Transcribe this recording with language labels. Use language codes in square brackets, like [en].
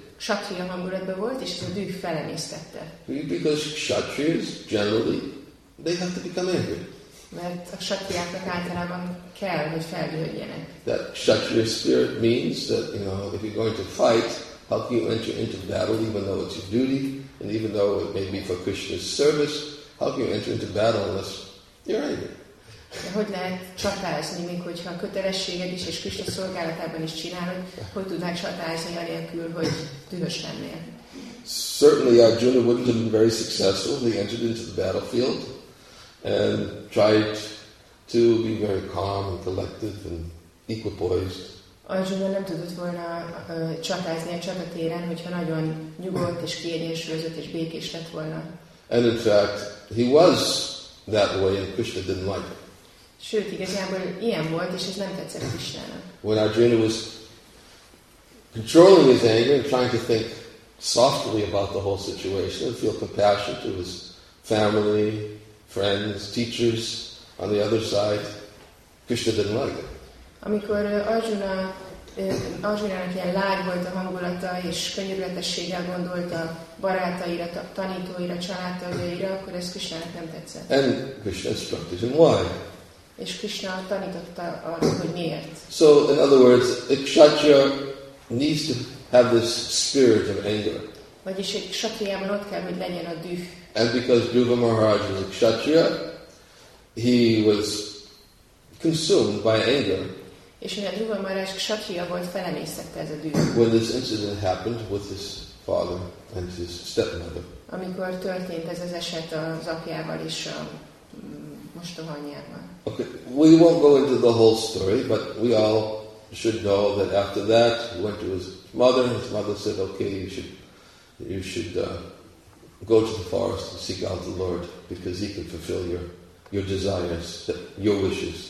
[hu] Kshatriya hangulatban volt, és ez a düh felemésztette. [en] Because kshatriyas, generally, they have to become angry. [hu] Mert a kshatriyáknak általában kell, hogy feldühödjenek. [en] That kshatriya spirit means that, you know, if you're going to fight, how can you enter into battle even though it's your duty, and even though it may be for Krishna's service, how can you enter into battle unless you're angry? [hu] De hogy lehet csatázni, még hogyha a kötelességed is és Krishna szolgálatában is csinálod, hogy tudnál csatázni anélkül, hogy dühös lennél? [en] Certainly Arjuna wouldn't have been very successful if he entered into the battlefield and tried to be very calm and collected and equipoised. [hu] Arjuna nem tudott volna csatázni a csatatéren, hogyha nagyon nyugodt és kiegyensúlyozott és békés lett volna. [en] And in fact, he was that way and Krishna didn't like it. [hu] Sőt, igazából ilyen volt, és ez nem tetszett Krishnának. [en] When Arjuna was controlling his anger and trying to think softly about the whole situation and feel compassion to his family, friends, teachers on the other side, Krishna didn't like it. [hu] Amikor Arjunának ilyen lágy volt a hangulata és könyörületességgel gondolta barátaira, tanítóira, családtagjaira, akkor ez Krishnának nem tetszett. [en] And Krishna instructed him why? [hu] És Krishna tanította arra, hogy miért. [en] So in other words, a kshatriya needs to have this spirit of anger. [hu] Vagyis egy kshatriyában ott kell, hogy legyen a düh. [en] And because Dhruva Maharaj was a kshatriya, he was consumed by anger. [hu] És mivel Dhruva Maharaj kshatriya volt, felemésztette ez a düh. [en] When this incident happened with his father and his stepmother. [hu] Amikor történt ez az eset az apjával és a mostohanyjával. [en] Okay, we won't go into the whole story, but we all should know that after that he went to his mother said, okay, you should go to the forest and seek out the Lord because he can fulfill your desires, your wishes.